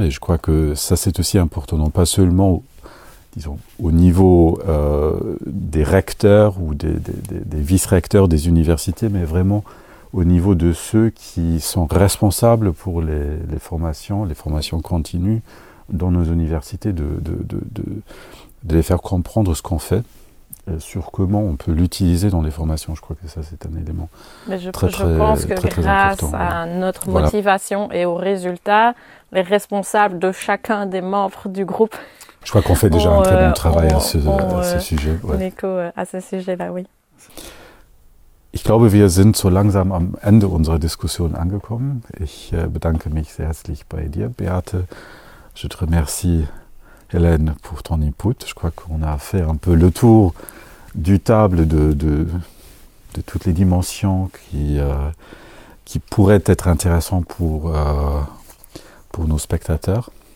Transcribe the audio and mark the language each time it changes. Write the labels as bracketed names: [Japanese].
[French] Et je crois que ça, c'est aussi important, non pas seulement, disons, au niveau des recteurs ou des vice-recteurs des universités, mais vraiment au niveau de ceux qui sont responsables pour les formations continues dans nos universités, de les faire comprendre ce qu'on fait, sur comment on peut l'utiliser dans les formations. Je crois que ça, c'est un élément important. À notre motivation et aux résultats, les responsables de chacun des membres du groupe... Je crois qu'on fait déjà un très bon travail à ce sujet. Ouais. Nico, à ce sujet-là, oui. [German] Ich glaube, wir sind so langsam am Ende unserer Diskussion angekommen. Ich bedanke mich sehr herzlich bei dir, Beate. [French] Je te remercie, Hélène, pour ton input. Je crois qu'on a fait un peu le tour du table de toutes les dimensions qui pourraient être intéressantes pour nos spectateurs.